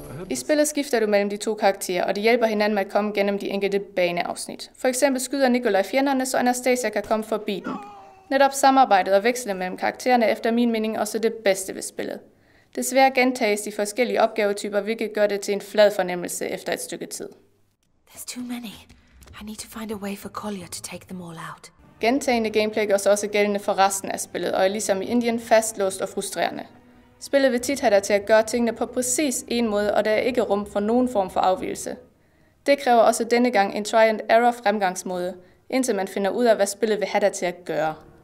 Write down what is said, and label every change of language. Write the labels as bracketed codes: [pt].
[da] I spillet skifter du mellem de to karakterer, og det hjælper hinanden med at komme gennem de enkelte baneafsnit. For eksempel skyder Nikolaj fjenderne, så Anastasia kan komme forbi den. Netop samarbejdet og vekslet mellem karaktererne er efter min mening også det bedste ved spillet. Desværre gentages de forskellige opgavetyper, hvilket gør det til en flad fornemmelse efter et stykke tid. [en] There's too many. I need to find a way for Collier to take them all out. [da] Gentagende gameplay gør sig også gældende for resten af spillet, og er ligesom i Indien fastlåst og frustrerende. Spillet vil tit have dig til at gøre tingene på præcis en måde, og der er ikke rum for nogen form for afvielse. Det kræver også denne gang en [en] try and error [da] fremgangsmåde, indtil man finder ud af, hvad spillet vil have dig til at gøre.